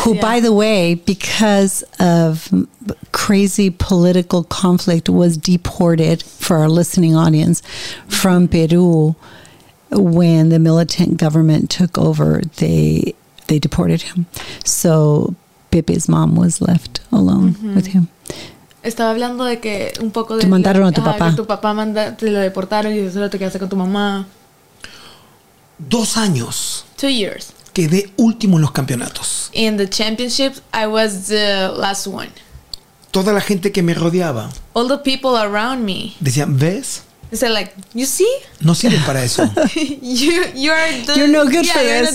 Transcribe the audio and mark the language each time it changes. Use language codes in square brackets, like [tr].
[en] Who, by the way, because of crazy political conflict, was deported, for our listening audience, from Peru. When the militant government took over, they deported him. So Pepe's mom was left alone with him. [es] Estaba hablando de que un poco de te mandaron a tu papá. Que tu papá te lo deportaron y solo te quedaste con tu mamá. 2 años. [en] 2 years. [es] Quedé último en los campeonatos. [en] In the championships, I was the last one. [es] Toda la gente que me rodeaba. [en] All the people around me. [es] Decían, ¿ves? [en] Is it like, you see? [es] No sirven para eso. [en] You're no good for this.